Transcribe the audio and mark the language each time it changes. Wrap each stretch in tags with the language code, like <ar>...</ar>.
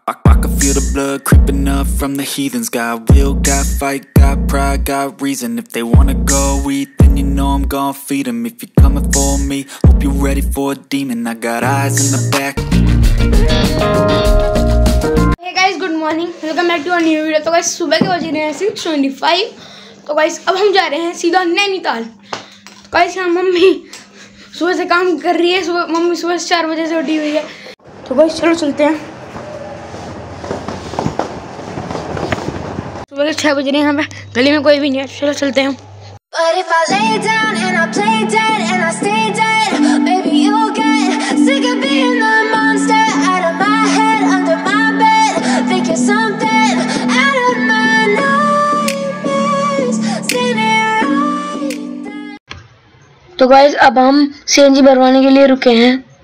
<en>I can feel the blood creeping up from the heathens. Got will, got fight, got pride, got reason. If they wanna go eat, then you know I'm gonna feed them. If you're coming for me, hope you're ready for a demon. I got eyes in the back. Hey guys, good morning. Welcome back to a new video. So guys,</en> <hi>सुबह के बज रहे हैं</hi> <en>6:25.</en> <hi>तो guys, अब हम जा रहे हैं सीधा नैनीताल. तो guys, हम मम्मी सुबह से काम कर रही है. सुबह मम्मी सुबह 4 बजे से उठी हुई है. तो guys, चलो चलते हैं. मतलब 6 बज रहे हैं. हमें गली में कोई भी नहीं है. चलो चलते हैं.</hi> <en>But if I lay down and I play dead and I stay dead, maybe you'll get sick of being the monster out of my head, under my bed, think you're something out of my nightmares.</en> <hi>तो guys, अब हम CNG भरवाने के लिए रुके हैं.</hi>